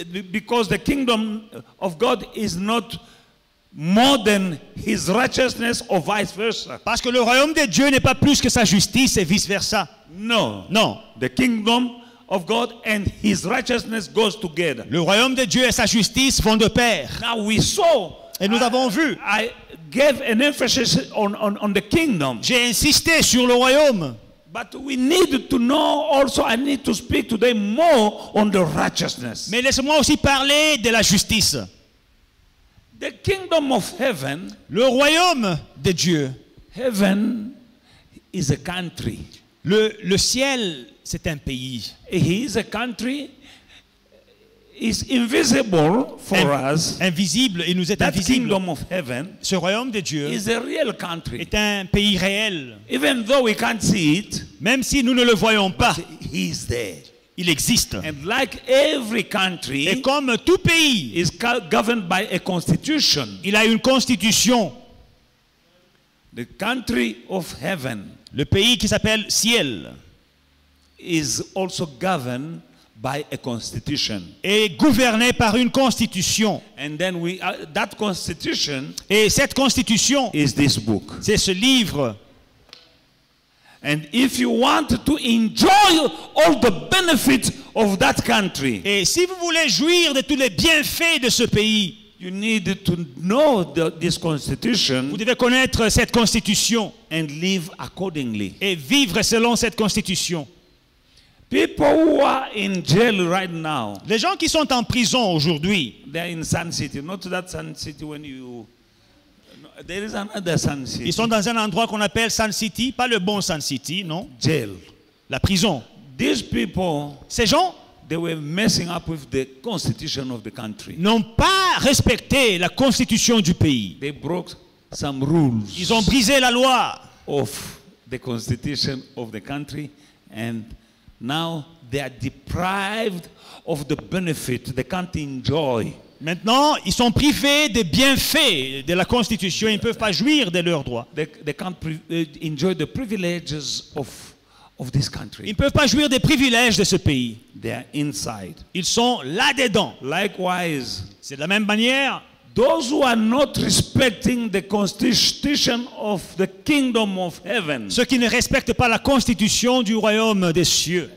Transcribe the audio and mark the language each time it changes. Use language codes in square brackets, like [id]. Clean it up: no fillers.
[en] Because the kingdom of God is not more than his righteousness or vice versa. [fr] Parce que le royaume de Dieu n'est pas plus que sa justice et vice versa. [en] No. No. The kingdom of God and his righteousness goes together. [fr] Le royaume de Dieu et sa justice vont de pair. [en] Now we saw. [fr] Et nous avons vu. [en] I gave an emphasis on the kingdom. [fr] J'ai insisté sur le royaume. [en] But we need to know also, I need to speak today more on the righteousness. [fr] Mais laisse-moi aussi parler de la justice. [en] The kingdom of heaven, [fr] le royaume de Dieu, [en] heaven is a country. [fr] Le ciel, c'est un pays. [en] He is a country, is invisible for us. [fr] Invisible, il nous est [en] that [fr] invisible. [en] Kingdom of heaven, [fr] ce royaume de Dieu, [en] is a real country. [fr] Est un pays réel. [en] Even though we can't see it, [fr] même si nous ne le voyons pas, [en] he is there. [fr] Il existe. [en] And like every country, [fr] et comme tout pays, [en] is governed by a constitution. [fr] Il a une constitution. [en] The country of heaven, [fr] le pays qui s'appelle ciel, [en] is also governed by a constitution. [fr] Est gouverné par une constitution. [en] And then we that constitution, [fr] et cette constitution, [en] is this book. [fr] C'est ce livre. [en] And if you want to enjoy all the benefits of that country, [fr] et si vous voulez jouir de tous les bienfaits de ce pays, [en] you need to know this constitution. [fr] Vous devez connaître cette constitution. [en] And live accordingly. [fr] Et vivre selon cette constitution. [en] People who are in jail right now. [fr] Les gens qui sont en prison aujourd'hui. [en] They are in Sun City, not that Sun City when you. There is another Sun City. [fr] Ils sont dans un endroit qu'on appelle Sun City, pas le bon Sun City, non? [en] Jail. [fr] La prison. [en] These people, [fr] ces gens, [en] they were messing up with the constitution of the country. [fr] N'ont pas respecté la constitution du pays. [en] They broke some rules. [fr] Ils ont brisé la loi [en] of the constitution of the country and now they are deprived of the benefit they can't enjoy. [fr] Maintenant, ils sont privés des bienfaits de la Constitution. Ils ne peuvent pas jouir de leurs droits. [en] They can't enjoy the privileges of this country. [fr] Ils ne peuvent pas jouir des privilèges de ce pays. [en] They are inside. [fr] Ils sont là-dedans. [en] Likewise, [fr] c'est de la même manière. [en] Those who are not respecting the constitution of the kingdom of heaven. [fr] Ceux qui ne respectent pas la constitution du royaume des cieux.